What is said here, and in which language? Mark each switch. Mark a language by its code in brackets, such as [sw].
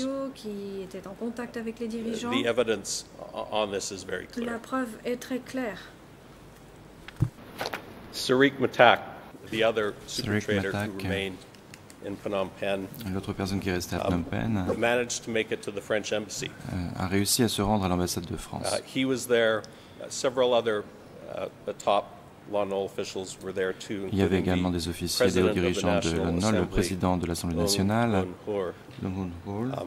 [en] The evidence on this is very clear. [fr] La preuve est très claire. [en] Sarik Matak, the other super trader who remained in Phnom Penh, [fr] l'autre personne qui restait à Phnom Penh, [en] managed to make it to the French embassy. [fr] A réussi à se rendre à l'ambassade de France. [en] He was there. Several other top LONOL officials were there too. [fr] Il y avait également des officiers, des dirigeants de LONOL, le président de l'Assemblée nationale, Lung Hun Hul,